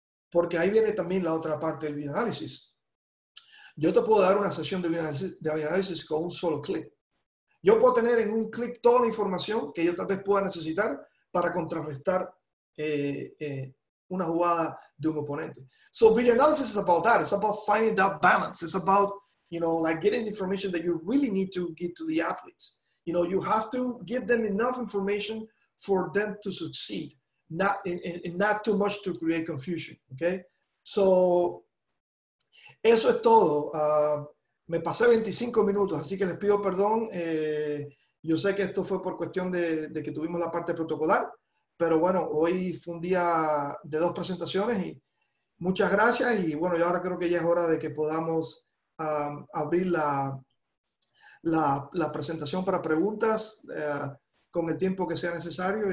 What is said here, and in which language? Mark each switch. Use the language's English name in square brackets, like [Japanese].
[Spanish] Porque ahí viene también la otra parte del videoanálisis. Yo te puedo dar una sesión de videoanálisis con un solo clip. Yo puedo tener en un clip toda la información que yo tal vez pueda necesitar para contrarrestar una jugada de un oponente. [English] So video analysis is about that. It's about finding that balance. It's about, you know, like getting the information that you really need to give to the athletes. You know, you have to give them enough information for them to succeed, not too much to create confusion. [Spanish] Okay. So eso es todo. Me pasé 25 minutos, así que les pido perdón. Yo sé que esto fue por cuestión de que tuvimos la parte protocolar. Pero bueno, hoy fue un día de dos presentaciones y muchas gracias. Y bueno, yo ahora creo que ya es hora de que podamos abrir la presentación para preguntas con el tiempo que sea necesario.